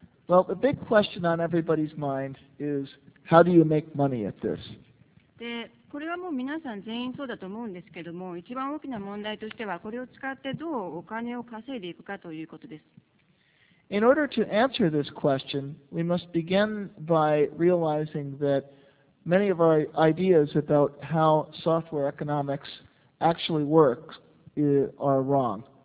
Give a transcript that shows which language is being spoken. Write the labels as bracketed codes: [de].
[en] Well, the big question on everybody's mind is, how do you make money at this? [ja] で、これはもう皆さん全員そうだと思うんですけども、一番大きな問題としては、これを使ってどうお金を稼いでいくかということです。 [en] In order to answer this question, we must begin by realizing that many of our ideas about how software economics actually works are wrong.